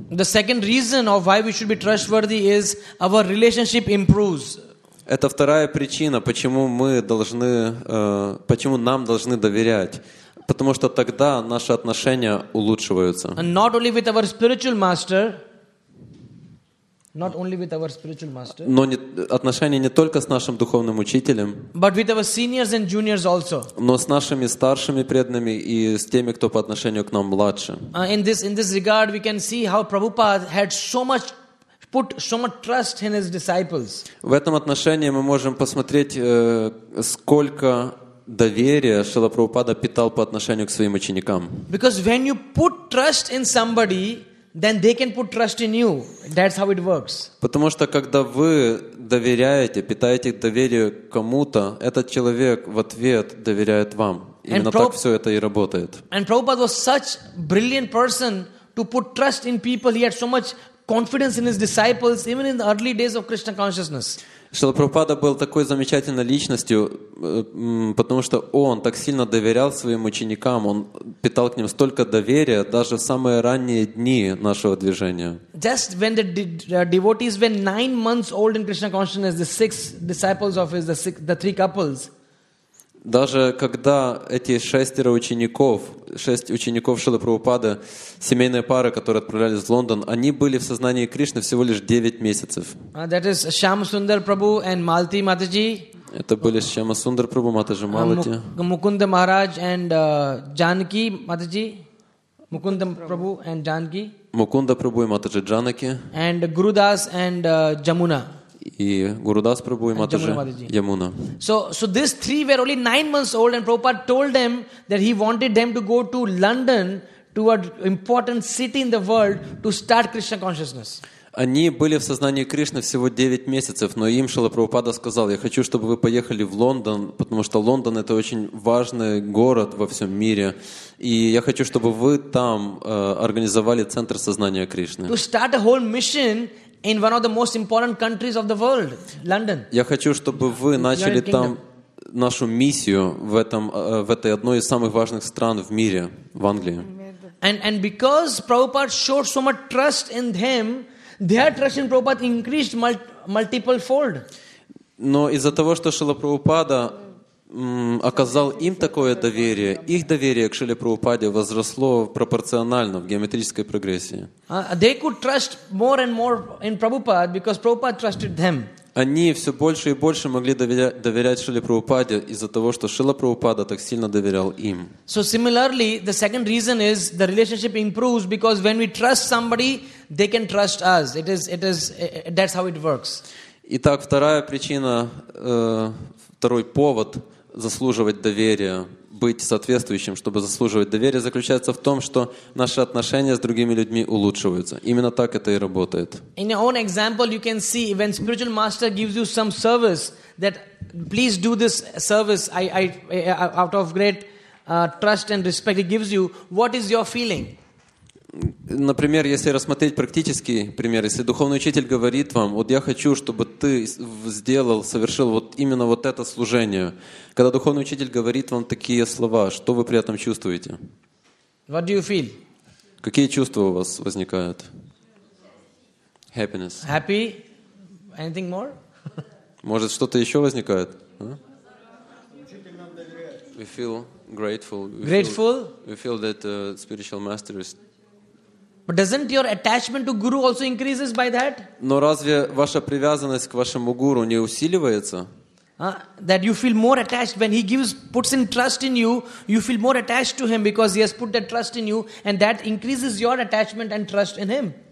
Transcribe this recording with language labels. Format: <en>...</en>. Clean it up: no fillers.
<en>The second reason of why we should be trustworthy is our relationship improves.</en> <ru>Это вторая причина, почему мы должны, почему нам должны доверять, потому что тогда наши отношения улучшиваются.</ru> <en>And not only with our spiritual master. Not only with our spiritual master,</en> <ru>но не, отношения не только с нашим духовным учителем,</ru> <en>but with our seniors and juniors also.</en> <ru>Но с нашими старшими преданными и с теми, кто по отношению к нам младше.</ru> <en>In this regard, we can see how Prabhupada had put so much trust in his disciples.</en> <ru>В этом отношении мы можем посмотреть, сколько доверия Шрила Прабхупада питал по отношению к своим ученикам.</ru> <en>Because when you put trust in somebody, then they can put trust in you. That's how it works.</en> <ru>Потому что когда вы доверяете, питаете доверие кому-то, этот человек в ответ доверяет вам. Именно так все это и работает.</ru> <en>And Prabhupada was such brilliant person to put trust in people. He had so much confidence in his disciples, even in the early days of Krishna consciousness.</en> <ru>Шрила Прабхупада был такой замечательной личностью, потому что он так сильно доверял своим ученикам, он питал к ним столько доверия, даже в самые ранние дни нашего движения.</ru> <en>Just when the devotees were 9 months old in Krishna consciousness, the six disciples of his, the three couples.</en> <ru>Даже когда эти шестеро учеников, шесть учеников Шрилы Прабхупады, семейные пары, которые отправлялись в Лондон, они были в сознании Кришны всего лишь 9 месяцев.</ru> <en>That is Shyamasundar Prabhu and Malati Mataji.</en> <ru>Это были Shyamasundar Prabhu, Mataji Malati.</ru> <en>Mukunda Maharaj and Janaki Mataji. Mukunda Prabhu and Janaki.</en> <ru>Mukunda Prabhu и Mataji Janaki.</ru> <en>And Gurudas and Jamuna.</en> <ru>И Гурудас Прабху и Матаджи Ямуна.</ru> <en>So these three were only 9 months old, and Prabhupada told them that he wanted them to go to London, to an important city in the world, to start Krishna consciousness.</en> <ru>Они были в сознании Кришны всего 9 месяцев, но им Шрила Прабхупада сказал: «Я хочу, чтобы вы поехали в Лондон, потому что Лондон — это очень важный город во всем мире, и я хочу, чтобы вы там организовали центр сознания Кришны».</ru> <en>To start a whole mission in one of the most important countries of the world, London.</en> <ru>Я хочу, чтобы вы начали там нашу миссию в этом в этой одной из самых важных стран в мире, в Англии.</ru> <en>And because Prabhupada showed so much trust in him, their trust in Prabhupada increased multiple fold.</en> <ru>Но из-за того, что Шрила Прабхупада оказал им такое доверие, их доверие к Шриле Прабхупаде возросло пропорционально в геометрической прогрессии.</ru> <en>They could trust more and more in Prabhupada because Prabhupada trusted them.</en> <ru>Они все больше и больше могли доверять Шриле Прабхупаде из-за того, что Шрила Прабхупада так сильно доверял им.</ru> <en>So similarly, the second reason is the relationship improves because when we trust somebody, they can trust us. It is that's how it works.</en> <ru>Итак, вторая причина, второй повод заслуживать доверия, быть соответствующим, чтобы заслуживать доверия, заключается в том, что наши отношения с другими людьми улучшиваются. Именно так это и работает.</ru> <en>In your own example, you can see when spiritual master gives you some service that please do this service I out of great trust and respect he gives you, what is your feeling?</en> <ru>Например, если рассмотреть практический пример, если духовный учитель говорит вам, вот я хочу, чтобы ты сделал, совершил вот именно вот это служение. Когда духовный учитель говорит вам такие слова, что вы при этом чувствуете?</ru> <en>What do you feel?</en> <ru>Какие чувства у вас возникают?</ru> <en>Happiness. Happy? Anything more?</en> <ru>Может, что-то еще возникает? Huh?</ru> <en>We feel grateful. Grateful? We feel that spiritual master is... But doesn't your attachment to guru also increases by that?</en> <ru>Но разве ваша привязанность к вашему гуру не усиливается?</ru> <en>That you feel more attached when he gives puts in trust in you, you feel more attached to him because he has put that trust in you and that increases your attachment and trust in him.</en>